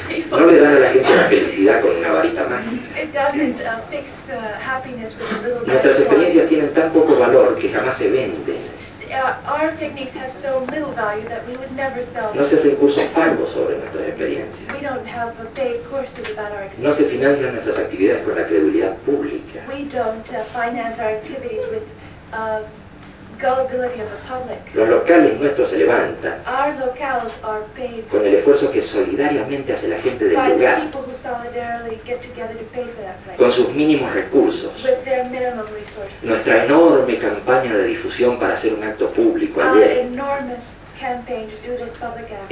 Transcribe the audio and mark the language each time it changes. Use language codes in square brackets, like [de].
[es] No le dan a la gente la felicidad con una varita mágica. [en] It doesn't fix happiness with a little bit. [es] Nuestras experiencias tienen tan poco valor que jamás se venden. [en] Our techniques have so little value that we would never sell. [es] No se hacen cursos pagos sobre nuestras experiencias. [en] We don't have paid courses about our experiences. [es] No se financian nuestras actividades con la credibilidad pública. [en] We don't finance our activities with gullibility of the public. [es] Los locales nuestros se levantan. [en] Our locales are paid [es] con el esfuerzo que solidariamente hace la gente del lugar. [en] By the people who solidarily get together to pay for that place. [es] Con sus mínimos recursos. [en] With their minimum resources. [es] Nuestra enorme campaña de difusión para hacer un acto público ayer. [en] Our enormous campaign to do this public act.